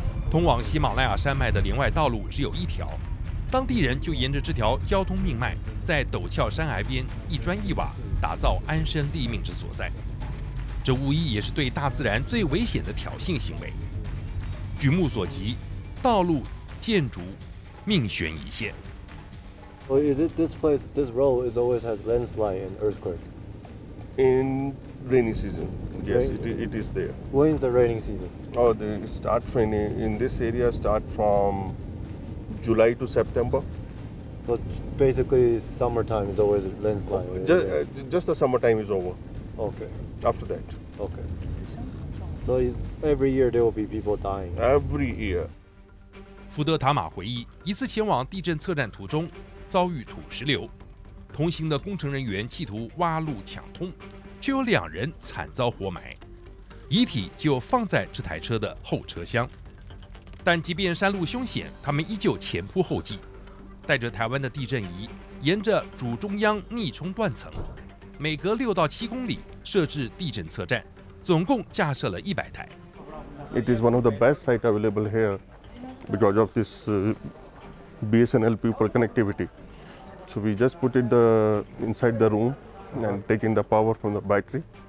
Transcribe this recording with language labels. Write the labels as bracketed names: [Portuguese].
[Chinese] 通往喜马拉雅山脉的连外道路只有一条，当地人就沿着这条交通命脉，在陡峭山崖边一砖一瓦打造安身立命之所在。这无疑也是对大自然最危险的挑衅行为。举目所及，道路、建筑，命悬一线。 [English] Well, is it this place, this road is always has landslide and earthquake? In rainy season, yes, it is there. When is the rainy season? Oh, they start raining in this area, start from July to September. But basically, summertime is always landslide. Just the summertime is over. Okay. After that. Okay. So it's every year there will be people dying. Every year. [Chinese] 福德塔玛回忆，一次前往地震测站途中遭遇土石流，同行的工程人员企图挖路抢通，却有2人惨遭活埋，遗体就放在这台车的后车厢。但即便山路凶险，他们依旧前仆后继，带着台湾的地震仪，沿着主中央逆冲断层，每隔6到7公里设置地震测站，总共架设了100台。 [English] It is one of the best sites available here because of this. BSNL people connectivity. So we just put it inside the room and taking the power from the battery.